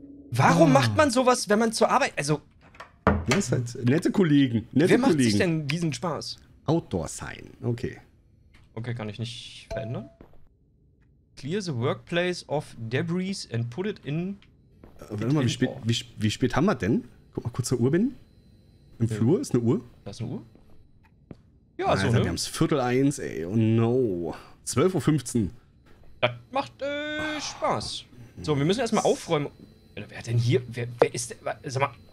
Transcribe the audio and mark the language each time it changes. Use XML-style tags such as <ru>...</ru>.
<de>Warum macht man sowas, wenn man zur Arbeit... Also... Das ist halt nette Kollegen. Wer macht sich denn diesen Spaß? Outdoor sein. Okay. Okay, kann ich nicht verändern?</de> <en>Clear the workplace of debris and put it in.</en> <de>Warte mal, wie spät haben wir denn? Guck mal kurz zur Uhr, Ben. Im Flur ist eine Uhr. Da ist eine Uhr? Ja, also. Ne? Wir haben es 1:15, ey.</de> <en>Oh no.</en> <de>12.15 Uhr. Das macht Spaß. So, wir müssen erstmal aufräumen. Wer denn hier? Wer ist denn? Sag mal.</de>